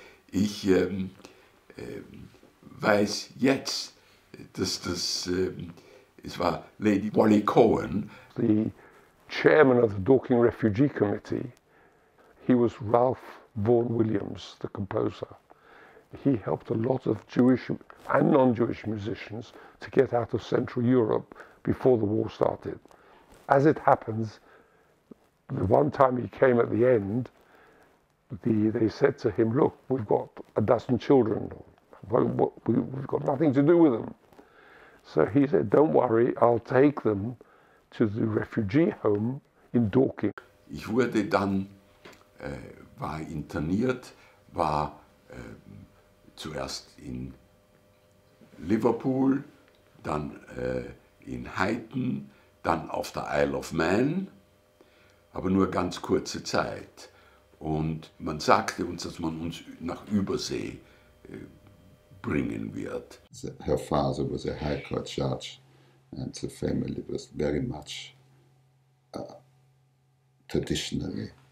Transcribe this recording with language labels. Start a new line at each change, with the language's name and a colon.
German: Ich weiß jetzt, dass das, es war Lady Wally Cohen.
English: The chairman of the Dorking Refugee Committee, he was Ralph Vaughan Williams, the composer. He helped a lot of Jewish and non-Jewish musicians to get out of Central Europe before the war started. As it happens, the one time he came at the end, they said to him, look, we've got a dozen children. We've got nothing to do with them. So he said, don't worry, I'll take them to the refugee home in Dorking.
German: Ich wurde dann, war interniert, war zuerst in Liverpool, dann in Heiden, dann auf der Isle of Man, aber nur ganz kurze Zeit. Und man sagte uns, dass man uns nach Übersee bringen wird.
English: Her father was a high court judge and the family was very much traditional.